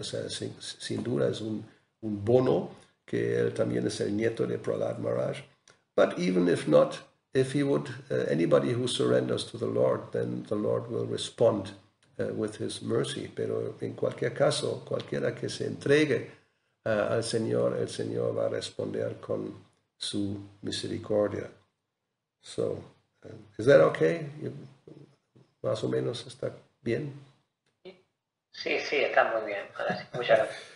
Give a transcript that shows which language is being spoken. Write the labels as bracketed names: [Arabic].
[Spanish] O sea, sin duda es un bono que él también es el nieto de Prahlad Maharaj. [English] But even if not, if he would, anybody who surrenders to the Lord, then the Lord will respond with his mercy. [Spanish] Pero en cualquier caso, cualquiera que se entregue al Señor, el Señor va a responder con su misericordia. [English] So, is that okay? [Spanish] Más o menos está bien. Sí, está muy bien. Ahora sí. Muchas gracias.